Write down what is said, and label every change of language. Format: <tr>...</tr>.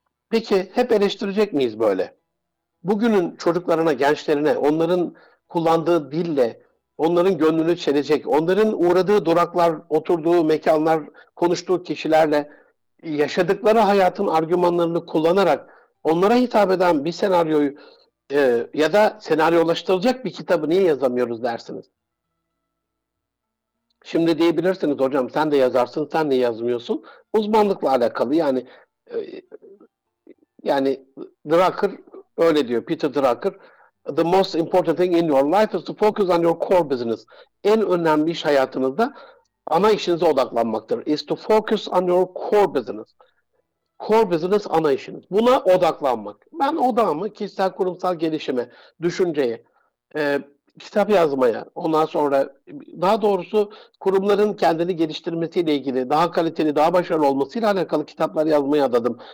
<tr>Peki hep eleştirecek miyiz böyle? Bugünün çocuklarına, gençlerine, onların kullandığı dille, onların gönlünü çelecek, onların uğradığı duraklar, oturduğu mekanlar, konuştuğu kişilerle, yaşadıkları hayatın argümanlarını kullanarak onlara hitap eden bir senaryoyu ya da senaryolaştırılacak bir kitabı niye yazamıyoruz dersiniz. Şimdi diyebilirsiniz hocam sen de yazarsın, sen de yazmıyorsun. Uzmanlıkla alakalı yani yani Drucker öyle diyor, Peter Drucker.</tr> <en>The most important thing in your life is to focus on your core business.</en> <tr>En önemli iş hayatınızda ana işinize odaklanmaktır.</tr> <en>Is to focus on your core business.</en> <tr>Core business ana işiniz. Buna odaklanmak. Ben odağımı kişisel kurumsal gelişime, düşünceye, kitap yazmaya, ondan sonra daha doğrusu kurumların kendini geliştirmesiyle ilgili, daha kaliteli, daha başarılı olmasıyla alakalı kitaplar yazmaya adadım.</tr>